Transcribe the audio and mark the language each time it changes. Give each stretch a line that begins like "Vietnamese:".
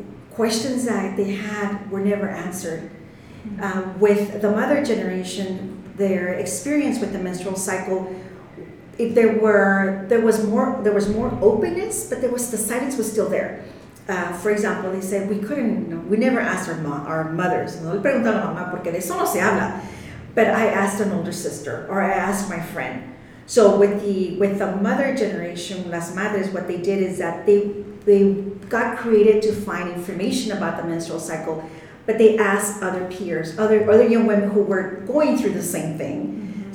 English: Questions that they had were never answered. With the mother generation, their experience with the menstrual cycle, there was more openness, but the silence was still there. For example, they said we never asked our mothers.
Spanish: No le preguntaron a mamá porque de eso no se habla.
English: But I asked an older sister, or I asked my friend. So with the mother generation,
Spanish: las madres,
English: what they did is that they got created to find information about the menstrual cycle, but they asked other peers, other young women who were going through the same thing. Mm-hmm.